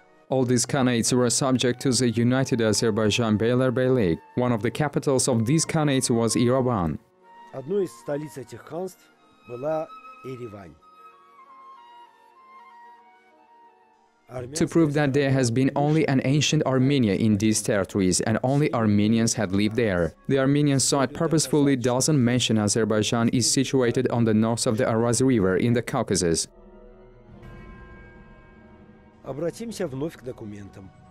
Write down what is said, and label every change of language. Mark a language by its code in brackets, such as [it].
[en] All these Khanates were subject to the United Azerbaijan Beylerbeylik. One of the capitals of these Khanates was Yerevan. [ru] Одной из столиц этих ханств была Ереван. [en] To prove that there has been only an ancient Armenia in these territories and only Armenians had lived there. The Armenian side purposefully doesn't mention Azerbaijan is situated on the north of the Araz River in the Caucasus. [ru] Обратимся вновь к документам.